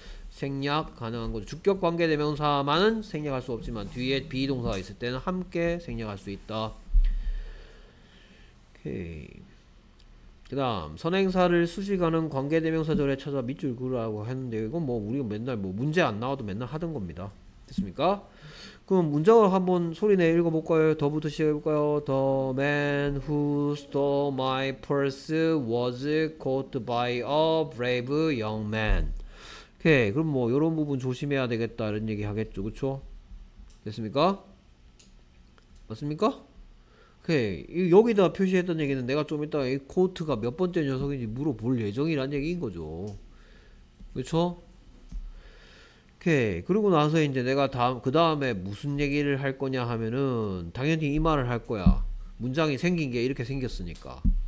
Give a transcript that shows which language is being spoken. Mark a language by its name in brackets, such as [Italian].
[Korean] 생략 가능한 거죠. 주격 관계 대명사만은 생략할 수 없지만 뒤에 be 동사가 있을 때는 함께 생략할 수 있다. 오케이. 그다음 선행사를 수식하는 관계 대명사절에 찾아 밑줄 그으라고 했는데 이건 뭐 우리가 맨날 뭐 문제 안 나와도 맨날 하던 겁니다. 됐습니까? 그럼 문장을 한번 소리내 읽어볼까요? 더부터 시작해볼까요? [English] The man who stole my purse was caught by a brave young man. [Korean] 오케이 그럼 뭐 요런 부분 조심해야 되겠다 이런 얘기 하겠죠 그쵸 됐습니까 맞습니까 오케이 여기다 표시했던 얘기는 내가 좀 이따가 이 코트가 몇 번째 녀석인지 물어볼 예정이란 얘기인 거죠 그쵸 오케이 그러고 나서 이제 내가 다음 그 다음에 무슨 얘기를 할 거냐 하면은 당연히 이 말을 할 거야 문장이 생긴 게 이렇게 생겼으니까